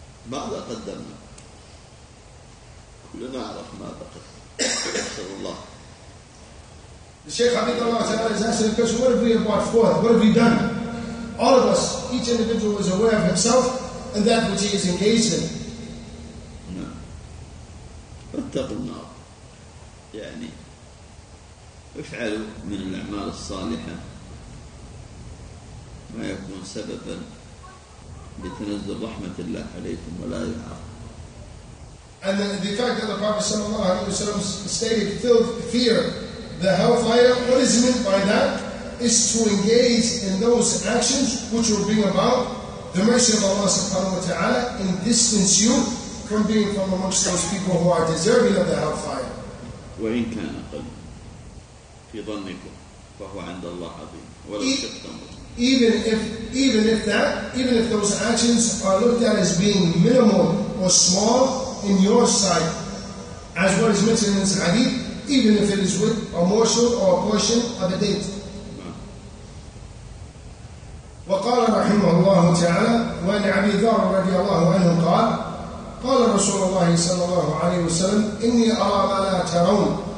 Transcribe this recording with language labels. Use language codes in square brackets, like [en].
[ar] ماذا قدمنا؟ كلنا نعرف ماذا قدمنا. نسأل الله. [en] The Shaykh Hafidhullah Ta'ala is asking the question, what have we brought forth? What have we done? All of us, each individual is aware of himself and that which he is engaged in. [ar] No. اتقوا النار. يعني افعلوا من الأعمال الصالحة ما يكون سببا لتنزل رحمة الله عليكم ولا يعاقب. [en] And the fact that the Prophet صلى الله عليه وسلم stated, fear the hellfire, what is meant by that? Is to engage in those actions which will bring about the mercy of Allah subhanahu wa ta'ala and distance you from being from amongst those people who are deserving of the hellfire. [ar] وَإِنْ كَانَ قَلْمٌ فِي ظَنِّكُمْ فَهُوَ عَنْدَ اللَّهِ عَظِيمٌ وَلَوْ شَكْتَمُرْ. [en] Even if those actions are looked at as being minimal or small in your sight, as what is mentioned in this hadith, even if it is with a morsel or a portion of a date. [ar] وقال رحمه الله تعالى وعن أبي ذر رضي الله عنه قال قال رسول الله صلى الله عليه وسلم إني أرى ما لا ترون